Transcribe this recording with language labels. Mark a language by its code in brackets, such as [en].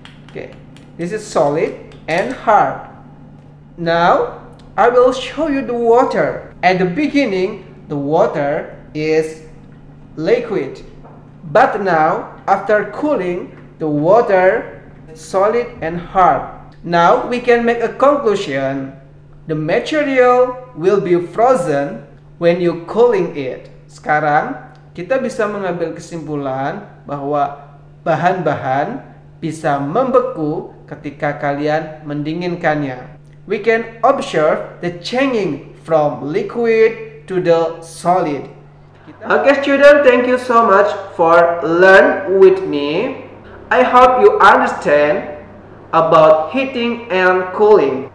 [en] Okay, this is solid and hard. Now, I will show you the water. At the beginning, the water is liquid. But now, after cooling, the water solid and hard. Now we can make a conclusion. The material will be frozen when you cooling it. [id] Sekarang kita bisa mengambil kesimpulan bahwa bahan-bahan bisa membeku ketika kalian mendinginkannya. [en] We can observe the changing from liquid to the solid. Okay student, thank you so much for learn with me. I hope you understand about heating and cooling.